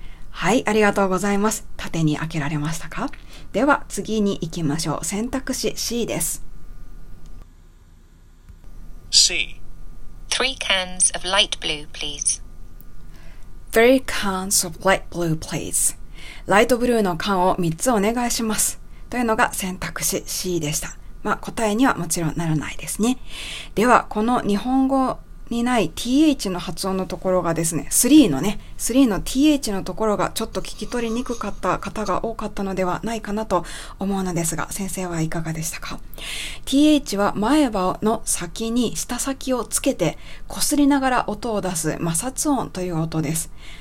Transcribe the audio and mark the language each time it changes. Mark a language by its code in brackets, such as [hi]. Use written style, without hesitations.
[ja] はい、ありがとうございます。縦に開けられましたか?では、次に行きましょう。選択肢 C です。 [en] C. Three cans of light blue, please. Three cans of light blue, please. [ja] ライトブルーの缶を3つお願いします。というのが選択肢 C でした。まあ、答えにはもちろんならないですね。では、この日本語にない th の発音のところがですね、3のね、3の th のところがちょっと聞き取りにくかった方が多かったのではないかなと思うのですが、先生はいかがでしたか ?th は前歯の先に舌先をつけて擦りながら音を出す摩擦音という音です。